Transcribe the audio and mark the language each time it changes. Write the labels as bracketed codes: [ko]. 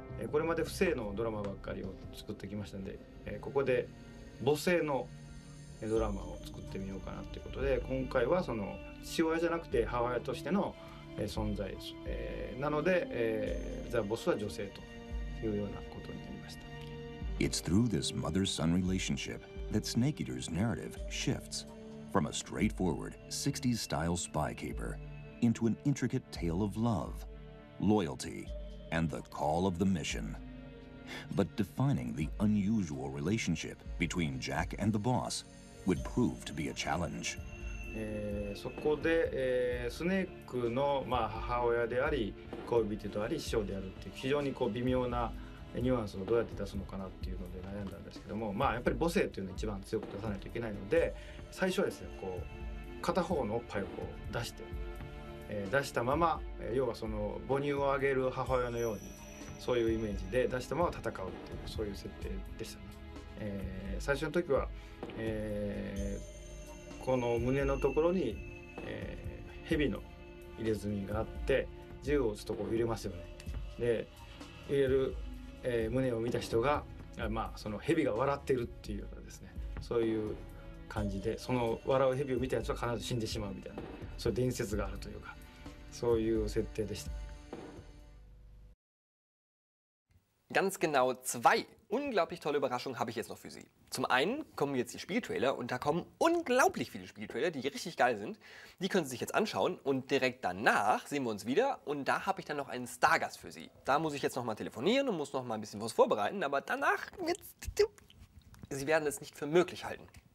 [ja] これまで不正のドラマばっかりを作ってきましたので、ここで母性のドラマを作ってみようかなということで、今回はその父親じゃなくて母親としての存在です。なので、ザ・ボスは女性というようなことになりました。 [en] It's through this mother-son relationship that Snake Eater's narrative shifts from a straightforward 60s-style spy caper into an intricate tale of love, loyalty,and the call of the mission. But defining the unusual relationship between Jack and the boss would prove to be a challenge. [ja] そこで、スネークの、まあ、母親であり恋人であり師匠であるっていう非常にこう微妙なニュアンスをどうやって出すのかなっていうので悩んだんですけども、まあ、やっぱり母性っていうのを一番強く出さないといけないので、最初はですね、こう片方のおっぱいをこう出して出したまま、要はその母乳をあげる母親のようにそういうイメージで出したまま戦うっていうそういう設定でしたね。最初の時は、この胸のところに、蛇の入れ墨があって銃を撃つとこう揺れますよね。で入れる、胸を見た人が、まあ、その蛇が笑っているっていうようなですね、そういう感じで、その笑う蛇を見たやつは必ず死んでしまうみたいな、そういう伝説があるというか、そういう設定でした。 [de] Ganz genau zwei unglaublich tolle Überraschungen habe ich jetzt noch für Sie. Zum einen kommen jetzt die Spieltrailer und da kommen unglaublich viele Spieltrailer, die richtig geil sind. Die können Sie sich jetzt anschauen und direkt danach sehen wir uns wieder und da habe ich dann noch einen Stargast für Sie. Da muss ich jetzt noch mal telefonieren und muss noch mal ein bisschen was vorbereiten, aber danach wird Sie werden es nicht für möglich halten.